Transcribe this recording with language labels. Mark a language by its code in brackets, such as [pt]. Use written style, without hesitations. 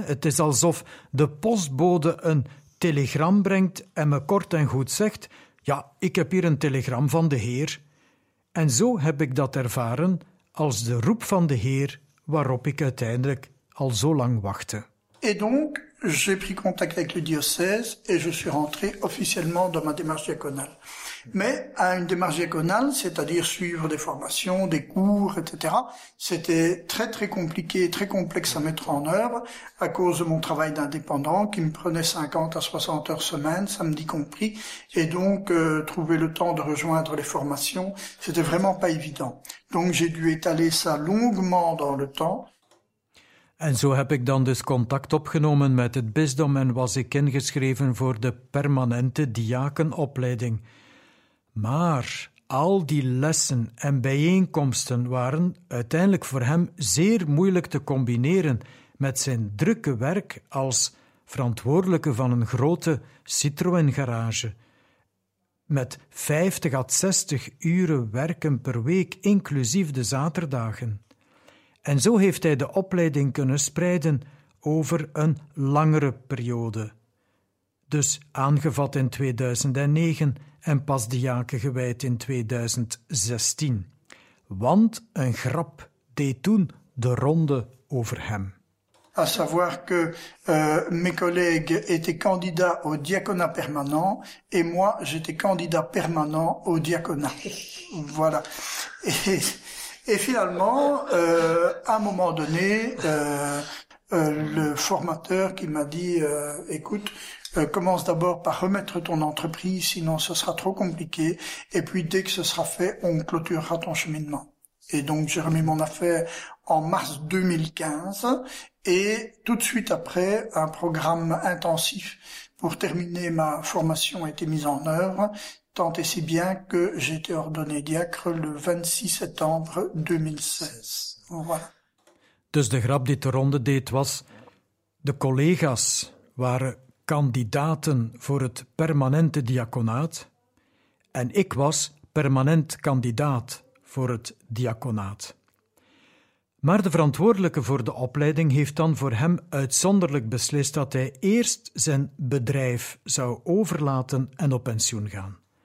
[nl] Het is alsof de postbode een telegram brengt en me kort en goed zegt, ja, ik heb hier een telegram van de Heer. En zo heb ik dat ervaren als de roep van de Heer waarop ik uiteindelijk al zo lang wachtte. [fr] Et donc, j'ai pris contact avec le diocèse et je suis rentré officiellement dans ma démarche diaconale. mais à une démarche diaconale, c'est-à-dire suivre des formations, des cours, etc. C'était très très compliqué, très complexe à mettre en œuvre à cause de mon travail d'indépendant qui me prenait 50 à 60 heures semaine, samedi compris, et donc trouver le temps de rejoindre les formations, c'était vraiment pas évident. Donc j'ai dû étaler ça longuement dans le temps. [nl] En zo heb ik dan dus contact opgenomen met het bisdom en was ik ingeschreven voor de permanente diakenopleiding. Maar al die lessen en bijeenkomsten waren uiteindelijk voor hem zeer moeilijk te combineren met zijn drukke werk als verantwoordelijke van een grote Citroën-garage. Met 50 à 60 uren werken per week, inclusief de zaterdagen. En zo heeft hij de opleiding kunnen spreiden over een langere periode. Dus aangevat in 2009 en pas diaken gewijd in 2016. Want een grap deed toen de ronde over hem. [fr] À savoir que mes collègues étaient candidats au diaconat permanent et moi j'étais candidat permanent au diaconat. Voilà. Et finalement, à un moment donné, le formateur qui m'a dit « Écoute, commence d'abord par remettre ton entreprise, sinon ce sera trop compliqué, et puis dès que ce sera fait, on clôturera ton cheminement. » Et donc j'ai remis mon affaire en mars 2015, et tout de suite après, un programme intensif pour terminer ma formation a été mis en œuvre, tant et si bien que j'ai été ordonné diacre le 26 septembre 2016. Voilà. [nl] Dus de grap die de ronde deed was, de collega's waren kandidaten voor het permanente diaconaat en ik was permanent kandidaat voor het diaconaat. Maar de verantwoordelijke voor de opleiding heeft dan voor hem uitzonderlijk beslist dat hij eerst zijn bedrijf zou overlaten en op pensioen gaan.